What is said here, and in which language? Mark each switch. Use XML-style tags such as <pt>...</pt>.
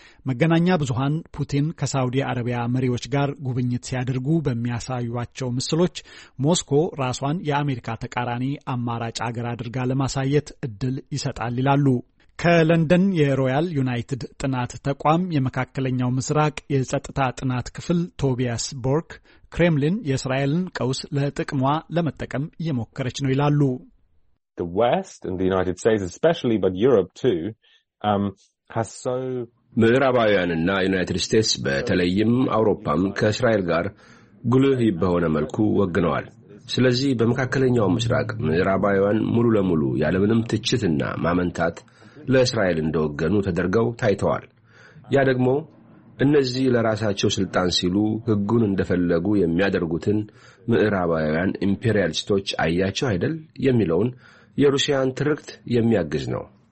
<am>መገናኛ ብዙሃን ፑቲን ከሳውዲ አረቢያ መሪዎች ጋር ጉብኝት ሲያደርጉ በሚያሳዩቸው ምስሎች ሞስኮ ራሷን የአሜሪካ ተቃራኒ አማራጭ አገር አድርጋ ለማሳየት እድል ይሰጣል ይላሉ። ከለንደን የሮያል ዩናይትድ ጥናት ተቋም የመካከለኛው ምስራቅ የጸጥታ ጥናት ክፍል ቶቢያስ ቦርክ ክሬምሊን የእስራኤልን ቀውስ ለጥቅሟ ለመጠቀም እየሞከረች ነው ይላሉ።</am> <en>The West and the United States especially, but Europe too, has so</en> <am>ምዕራባውያንና ዩናይትድ ስቴትስ በተለይም አውሮፓም ከእስራኤል ጋር ጉልህ በሆነ መልኩ ወግነዋል። ስለዚህ በመካከለኛው ምስራቅ ምዕራባውያን ሙሉ ለሙሉ ያለምንም ትችትና ማመንታት ለእስራኤል እንደወገኑ ተደርገው ታይተዋል። ያ ደግሞ እነዚህ ለራሳቸው ስልጣን ሲሉ ህጉን እንደፈለጉ የሚያደርጉትን ምዕራባውያን ኢምፔሪያሊስቶች አያቸው አይደል የሚለውን የሩሲያን ትርክት የሚያግዝ ነው።</am>